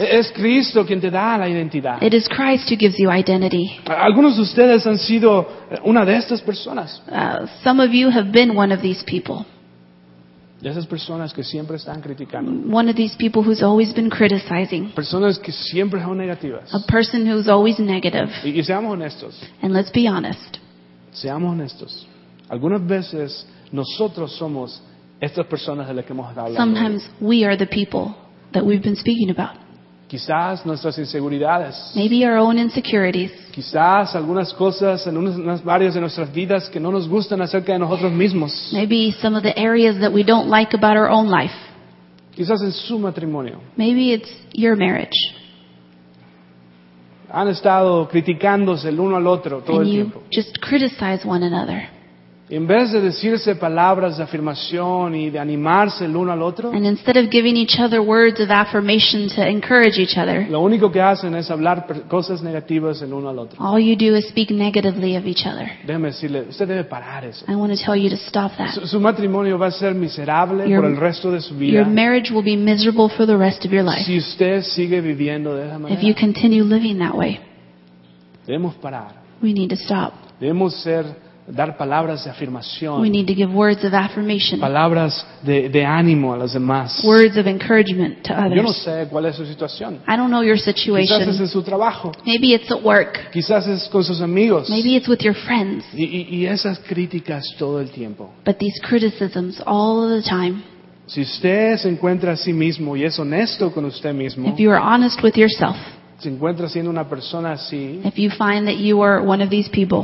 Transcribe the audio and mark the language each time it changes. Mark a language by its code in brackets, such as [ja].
[es] Es Cristo quien te da la identidad. [en] It is Christ who gives you identity. [es] Algunos de ustedes han sido una de estas personas. [en] Some of you have been one of these people. [es] De esas personas que siempre están criticando. [en] One of these people who's always been criticizing. [es] Personas que siempre son negativas. [en] A person who's always negative. [es] Y seamos honestos. [en] And let's be honest. [es] Seamos honestos. Algunas veces nosotros somos estas personas de las que hemos hablado. [en] Sometimes we are the people that we've been speaking about. [es] Quizás nuestras inseguridades. [en] Maybe our own insecurities. [es] Quizás algunas cosas en unas áreas de nuestras vidas que no nos gustan acerca de nosotros mismos. [en] Maybe some of the areas that we don't like about our own life. [es] Quizás en su matrimonio. [en] Maybe it's your marriage. [es] Han estado criticándose el uno al otro todo [en] and [es] el [en] you [es] tiempo. [en] Just criticize one another. [es] En vez de decirse palabras de afirmación y de animarse el uno al otro, [en] and instead of giving each other words of affirmation to encourage each other, [es] lo único que hacen es hablar cosas negativas el uno al otro. [en] All you do is speak negatively of each other. [es] Déjeme decirle, usted debe parar eso. [en] I want to tell you to stop that. [es] Su matrimonio va a ser miserable por el resto de su vida. [en] Your marriage will be miserable for the rest of your life. [es] Si usted sigue viviendo de esa manera, [en] if you continue living that way, [es] debemos parar. [en] We need to stop. [es] Debemos ser dar palabras de afirmación. [en] We need to give words of affirmation. [es] Palabras de ánimo a los demás. [en] Words of encouragement to others. [es] Yo no sé cuál es su situación. [en] I don't know your situation. [es] Quizás es en su trabajo. [en] Maybe it's at work. [es] Quizás es con sus amigos. [en] Maybe it's with your friends. [es] Y esas críticas todo el tiempo. [en] But these criticisms all of the time. [es] Si usted se encuentra a sí mismo y es honesto con usted mismo. [en] If you are honest with yourself. [es] Si encuentras siendo una persona así, [en] if you find that you are one of these people,